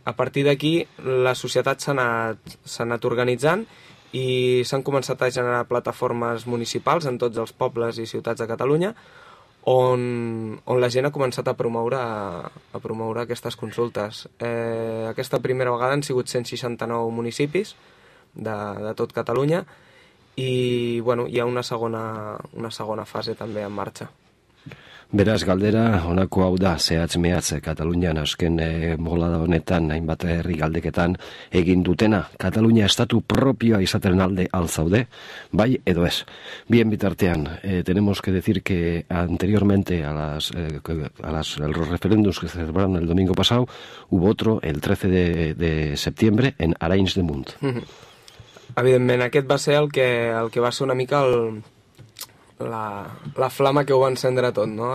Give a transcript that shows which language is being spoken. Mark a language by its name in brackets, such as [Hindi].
[Catalan] A partir d'aquí la societat s'ha anat organitzant i s'han començat a generar plataformes municipals en tots els pobles i ciutats de Catalunya, on la gent ha començat a promoure aquestes consultes. Aquesta primera vegada han sigut 169 municipis de tot Catalunya i, bueno, hi ha una segona fase també en marxa. [Basque] Beraz, galdera, honako hau da, zehatz-mehatz, Katalunian azken bolada honetan, hainbat herri galdeketan, egin dutena, Katalunia estatu propioa izaten alde alzaude, bai edo ez. Bien bitartean, [Spanish] tenemos que decir que anteriormente a los referéndums que celebraron el domingo pasado, hubo otro el 13 de septiembre en Arenys de Munt. [Catalan] Evidentment, aquest va ser el que va ser una mica el... La flama que ho va encendre tot, no?